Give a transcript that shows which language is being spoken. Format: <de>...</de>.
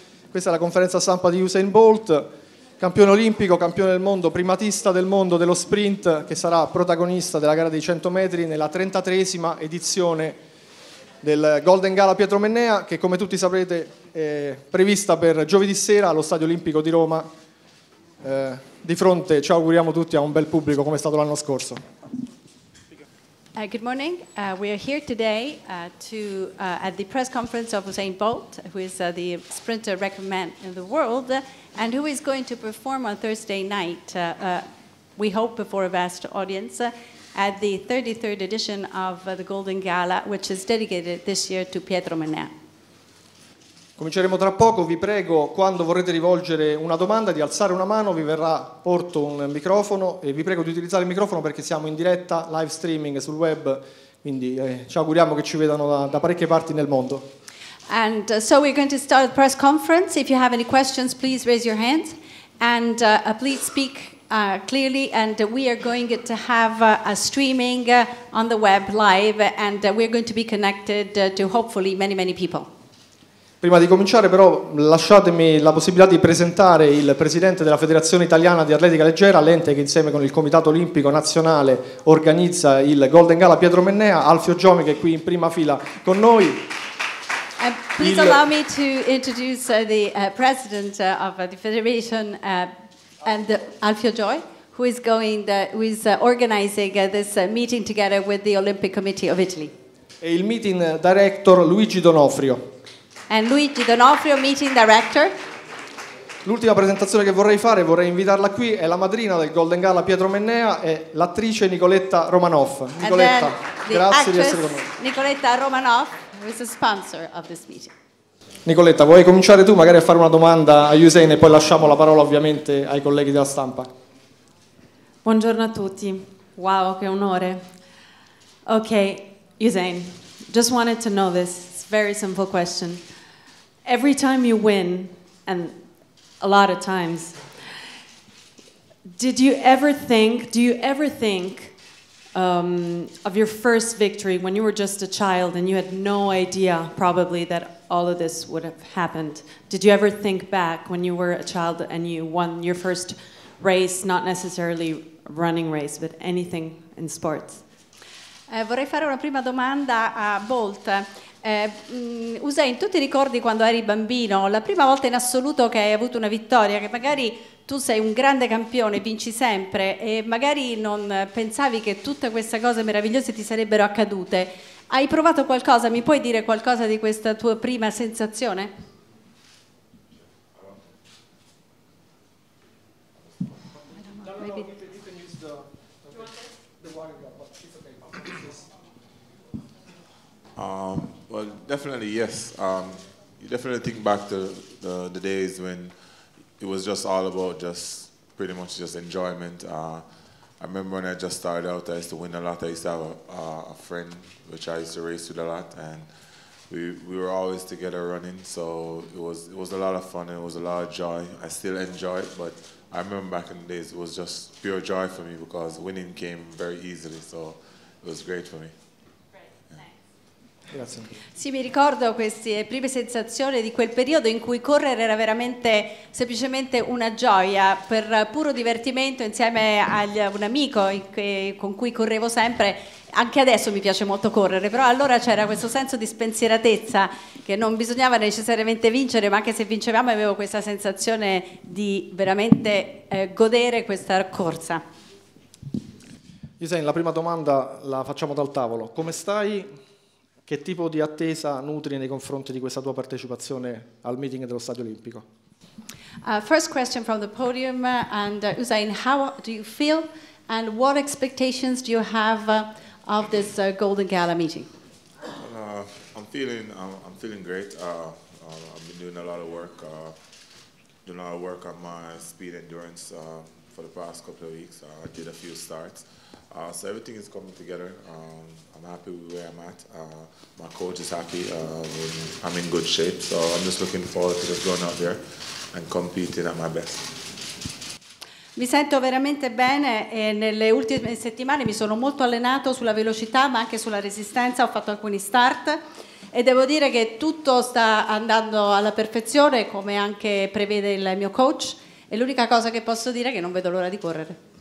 <it>Questa è la conferenza stampa di Usain Bolt, campione olimpico, campione del mondo, primatista del mondo dello sprint, che sarà protagonista della gara dei 100 metri nella 33esima edizione del Golden Gala Pietro Mennea, che come tutti saprete è prevista per giovedì sera allo Stadio Olimpico di Roma, di fronte, ci auguriamo tutti, a un bel pubblico come è stato l'anno scorso.</it> <en>Good morning. We are here today at the press conference of Usain Bolt, who is the sprinter record man in the world, and who is going to perform on Thursday night, we hope before a vast audience, at the 33rd edition of the Golden Gala, which is dedicated this year to Pietro Mennea.</en> <it>Cominceremo tra poco, vi prego, quando vorrete rivolgere una domanda, di alzare una mano, vi verrà porto un microfono e vi prego di utilizzare il microfono perché siamo in diretta, live streaming sul web, quindi ci auguriamo che ci vedano da parecchie parti nel mondo.</it> <en>And so we're going to start the press conference. If you have any questions, please raise your hands and please speak clearly, and we are going to have a streaming on the web live, and we're going to be connected to hopefully many, many people.</en> <it>Prima di cominciare però lasciatemi la possibilità di presentare il presidente della Federazione Italiana di Atletica Leggera, l'ente che insieme con il Comitato Olimpico Nazionale organizza il Golden Gala Pietro Mennea, Alfio Giomi, che è qui in prima fila con noi.</it> <en>Please allow me to introduce the president of the federation, and Alfio Giomi, who is organizing this meeting together with the Olympic Committee of Italy.</en> <it>E il meeting director Luigi D'Onofrio.</it> <en>And Luigi D'Onofrio, meeting director.</en> <it>L'ultima presentazione che vorrei fare, vorrei invitarla qui, è la madrina del Golden Gala Pietro Mennea, è l'attrice Nicoletta Romanoff. Nicoletta, grazie di essere con noi.</it> <en>Nicoletta Romanoff, who is the sponsor of this meeting.</en> <it>Nicoletta, vuoi cominciare tu magari a fare una domanda a Usain e poi lasciamo la parola ovviamente ai colleghi della stampa. Buongiorno a tutti. Wow, che onore.</it> <en>Ok, Usain, just wanted to know this. Very simple question. Every time you win, and a lot of times, do you ever think of your first victory when you were just a child and you had no idea probably that all of this would have happened? Did you ever think back when you were a child and you won your first race, not necessarily running race, but anything in sports?</en> <it>Vorrei fare una prima domanda a Bolt. Usain, tu ti ricordi quando eri bambino la prima volta in assoluto che hai avuto una vittoria, che magari tu sei un grande campione, vinci sempre e magari non pensavi che tutte queste cose meravigliose ti sarebbero accadute? Hai provato qualcosa? Mi puoi dire qualcosa di questa tua prima sensazione?</it> <en>Well, definitely, yes. You definitely think back to the days when it was just all about just pretty much just enjoyment. I remember when I just started out, I used to win a lot. I used to have a friend which I used to race with a lot, and we were always together running. So it was a lot of fun, and it was a lot of joy. I still enjoy it, but I remember back in the days it was just pure joy for me because winning came very easily. So it was great for me.</en> <it>Grazie. Sì, mi ricordo queste prime sensazioni di quel periodo in cui correre era veramente semplicemente una gioia per puro divertimento insieme a un amico con cui correvo sempre. Anche adesso mi piace molto correre, però allora c'era questo senso di spensieratezza che non bisognava necessariamente vincere, ma anche se vincevamo avevo questa sensazione di veramente godere questa corsa. Usain, la prima domanda la facciamo dal tavolo. Come stai? Che tipo di attesa nutri nei confronti di questa tua partecipazione al meeting dello Stadio Olimpico? First question from the podium, and Usain, how do you feel and what expectations do you have of this Golden Gala meeting? I'm feeling great. I've been doing a lot of work, on my speed endurance for the past couple of weeks. I did a few starts. So everything is coming together. I'm happy with where I'm at. My coach is happy. I'm in good shape. So I'm just looking forward to just going out there and competing at my best. Mi sento veramente bene e nelle ultime settimane mi sono molto allenato sulla velocità ma anche sulla resistenza, ho fatto alcuni start e devo dire che tutto sta andando alla perfezione come anche prevede il mio coach e l'unica cosa che posso dire è che non vedo l'ora di correre.</it>